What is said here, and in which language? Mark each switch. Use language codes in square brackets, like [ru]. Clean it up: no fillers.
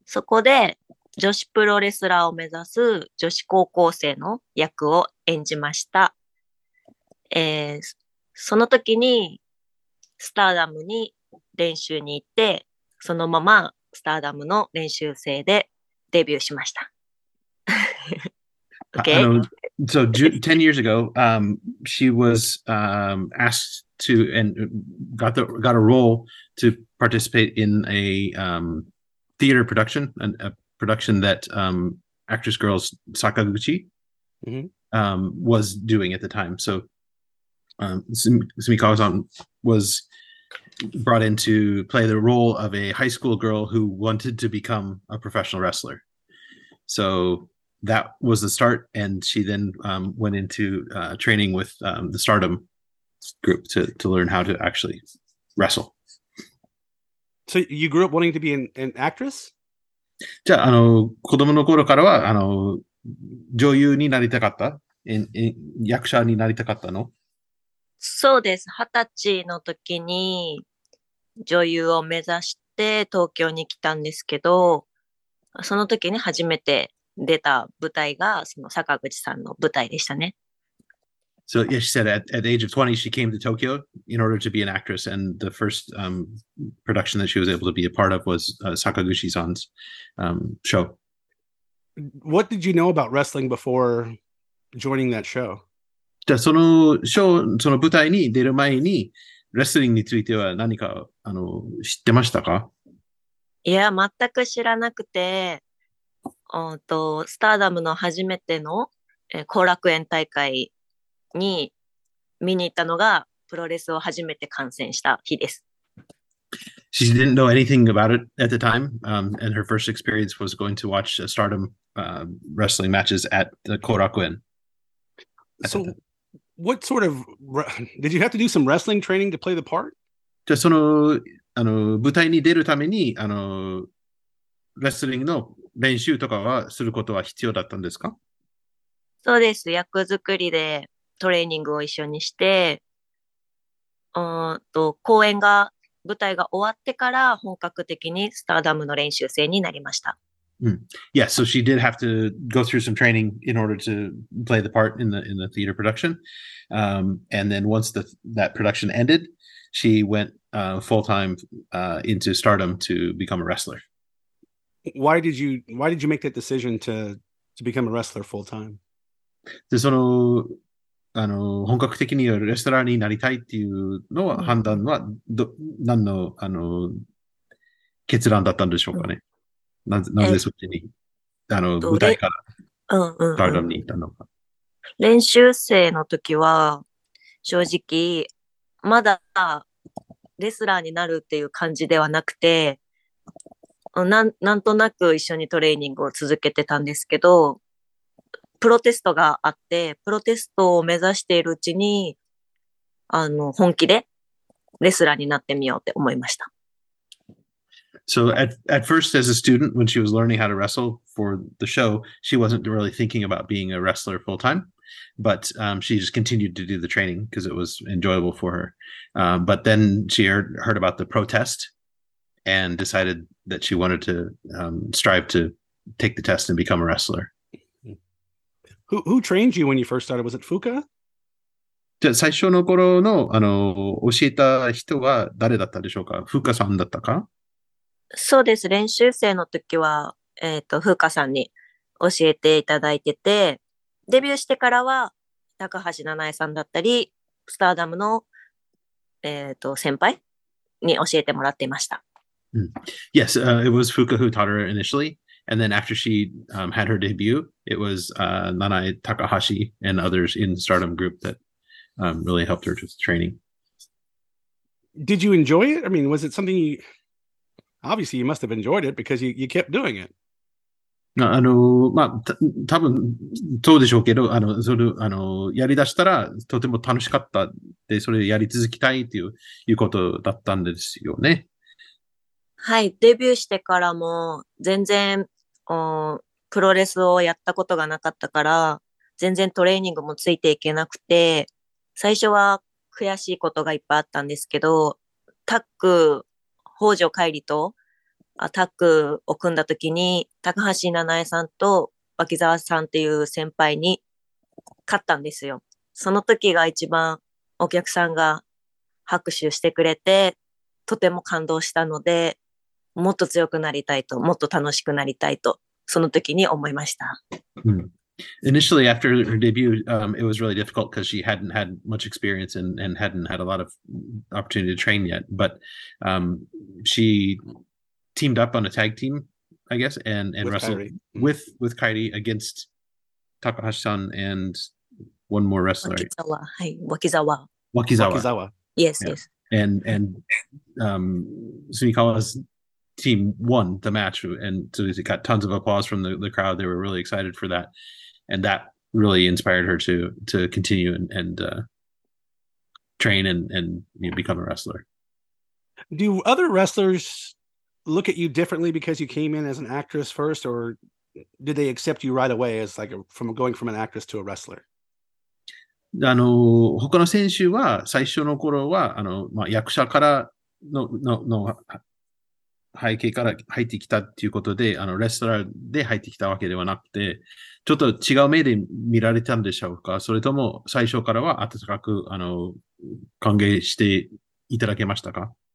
[ja] そこで女子プロレスラーを目指す女子高校生の役を演じました。その時にスターダムに練習に行って、そのままスターダムの練習生でデビューしました。 [en] Okay. So 10 years ago, she was asked to and got a role to participate in a theater production and production that Actress Girls Sakaguchi was doing at the time. So Sumikawa-san was brought in to play the role of a high school girl who wanted to become a professional wrestler. So that was the start, and she then went into training with the Stardom group to learn how to actually wrestle. So you grew up wanting to be an actress? [ja] じゃあ、子供の頃からは、女優になりたかった、役者になりたかったの？そうです。二十歳の時に女優を目指して東京に来たんですけど、その時に初めて出た舞台が、その坂口さんの舞台でしたね。 [en] So yeah, she said at the age of 20, she came to Tokyo in order to be an actress. And the first production that she was able to be a part of was Sakaguchi-san's show. What did you know about wrestling before joining that show? [ja] その show、その舞台に出る前に、レスリングについては何か、知ってましたか？いや、全く知らなくて、スターダムの初めての、後楽園大会に見に行ったのが、プロレスを初めて観戦した日です。 [en] She didn't know anything about it at the time, and her first experience was going to watch a Stardom, wrestling matches at the Korakuen. So, what sort of did you have to do some wrestling training to play the part? Just [ja] その、あの、舞台に出るために、あの、レスリングの練習とかはすることは必要だったんですか？そうです。役作りでトレーニングを一緒にして、公演が舞台が終わってから本格的にスターダムの練習生になりました。 Mm. [en] Yeah, so she did have to go through some training in order to play the part in the theater production. And then once that production ended, she went full-time into Stardom to become a wrestler. Why did you make that decision to become a wrestler full-time? [ja] で、その、あの、本格的にレスラーになりたいっていうのは、判断は、何の、あの、決断だったんでしょうかね。なぜそっちに、あの、舞台から、スターダムに行ったのか。練習生の時は、正直、まだ、レスラーになるっていう感じではなくて、なんとなく一緒にトレーニングを続けてたんですけど、プロテストがあって、プロテストを目指しているうちに、あの、本気でレスラーになってみようって思いました。 [en] So at first as a student, when she was learning how to wrestle for the show, she wasn't really thinking about being a wrestler full time, but she just continued to do the training because it was enjoyable for her. But then she heard about the protest and decided that she wanted to strive to take the test and become a wrestler. Who trained you when you first started? Was it Fuka? [ja] 最初の頃の、あの、教えた人は誰だったでしょうか？ Fuka さんだったか？そうです。練習生の時は、Fuka さんに教えていただいてて、デビューしてからは、高橋七重さんだったり、スターダムの、先輩に教えてもらっていました。 [en] Yes, it was Fuka who taught her initially. And then after she had her debut, it was Nanae Takahashi and others in the Stardom group that really helped her with training. Did you enjoy it? I mean, was it something you... Obviously, you must have enjoyed it because you kept doing it. [ja] あの、まあ、多分そうでしょうけど、あの、それ、あの、やりだしたらとても楽しかったで、それやり続きたいということだったんですよね。はい、デビューしてからも全然プロレスをやったことがなかったから全然トレーニングもついていけなくて最初は悔しいことがいっぱいあったんですけどタッグ北条海里とタッグを組んだ時に高橋七重さんと脇澤さんっていう先輩に勝ったんですよ。その時が一番お客さんが拍手してくれてとても感動したので、もっと強くなりたいと、もっと楽しくなりたいと、その時に思いました。 [en] Initially, after her debut, it was really difficult because she hadn't had much experience and hadn't had a lot of opportunity to train yet. But she teamed up on a tag team, I guess, and wrestled with Kairi against Takahashi-san and one more wrestler. Wakizawa. Yes. And Sumikawa's team won the match, and so it got tons of applause from the crowd. They were really excited for that, and that really inspired her to continue and train and you know, become a wrestler. Do other wrestlers look at you differently because you came in as an actress first, or did they accept you right away as like from an actress to a wrestler? [ja] あの他の選手は最初の頃はあの、まあ、役者からの背景から入ってきたっていうことで、レストランで入ってきたわけではなくて、ちょっと違う目で見られたんでしょうか、それとも最初からは温かく、歓迎していただけましたか。